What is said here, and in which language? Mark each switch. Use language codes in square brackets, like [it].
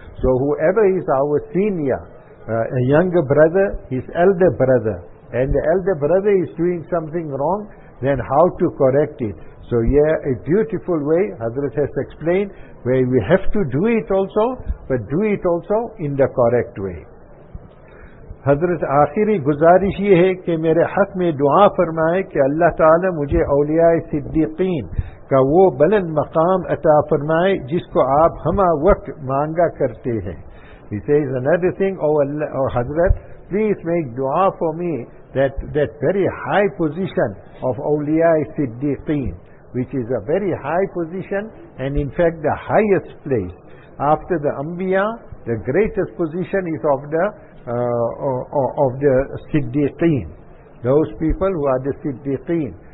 [en] So whoever is our senior, a younger brother, his elder brother, and the elder brother is doing something wrong, then how to correct it? So yeah, a beautiful way, Hazrat has explained, where we have to do it also, but do it also in the correct way. [ur] حضرت آخری گزارش یہ ہے کہ میرے حق میں دعا فرمائے کہ اللہ تعالی مجھے اولیاء صدیقین کا وہ بلند مقام عطا فرمائے جس کو آپ ہما وقت مانگا کرتے ہیں. [en] He says another thing, oh حضرت, please make dua for me that very high position of اولیاء صدیقین, which is a very high position, and in fact the highest place. After the Anbiya, the greatest position is of the Siddiqeen. Those people who are the Siddiqeen.